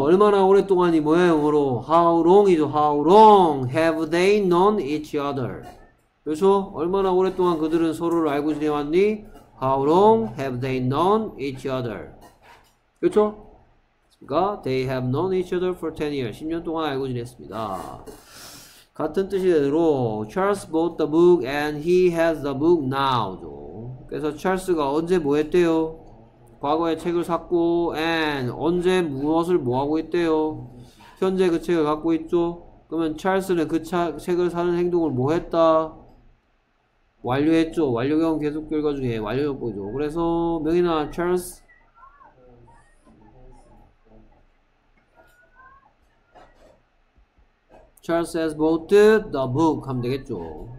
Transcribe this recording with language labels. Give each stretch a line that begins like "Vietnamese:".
Korean: 얼마나 오랫동안이 뭐예요 영어로.
English: How long이죠. How long have they known each other.
Korean: 그래서 얼마나 오랫동안 그들은 서로를 알고 지내왔니.
English: How long have they known each other.
Korean: 그쵸? 그니까,
English: they have known each other for 10 years.
Korean: 10년 동안 알고 지냈습니다. 같은 뜻이대로,
English: Charles bought the book and he has the book now.
Korean: 그래서 Charles가 언제 뭐 했대요? 과거에 책을 샀고, and 언제 무엇을 뭐 하고 있대요? 현재 그 책을 갖고 있죠? 그러면 Charles는 그 책을 사는 행동을 뭐 했다? 완료했죠. 완료형 계속 결과주의 완료형 보죠. 그래서 명인아 찰스 찰스
English: has bought the book
Korean: 하면 되겠죠.